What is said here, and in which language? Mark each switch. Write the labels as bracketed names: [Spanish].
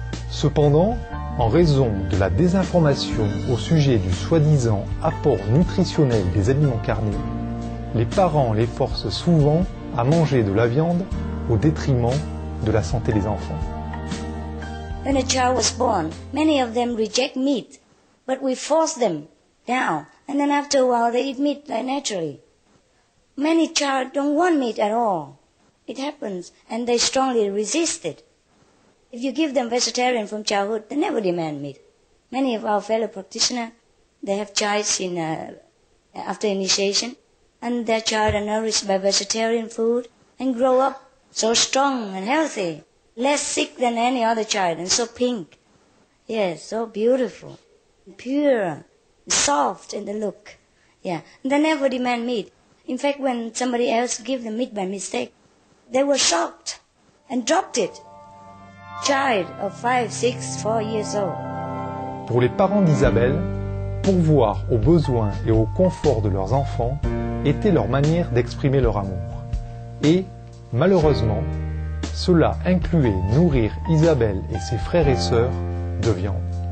[French] Cependant, en raison de la désinformation au sujet du soi-disant apport nutritionnel des aliments carnés, les parents les forcent souvent à manger de la viande au détriment de la santé des enfants. [English] When a child was born, many of them reject meat, but we force them down, and then after a while they eat meat naturally. Many child don't want meat at all. It happens, and they strongly resist it. If you give them vegetarian from childhood, they never demand meat. Many of our fellow practitioners, they have child in after initiation, and their child are nourished by vegetarian food and grow up so strong and healthy, less sick than any other child, and so pink. Yes, yeah, so beautiful, pure, soft in the look. Yeah, and they never demand meat. In fact, when somebody else gave them meat by mistake, they were shocked and dropped it. Child of 5, 6, 4 years old. [French] Pour les parents d'Isabelle, pourvoir aux besoins et au confort de leurs enfants était leur manière d'exprimer leur amour. Et, malheureusement, cela incluait nourrir Isabelle et ses frères et sœurs de viande.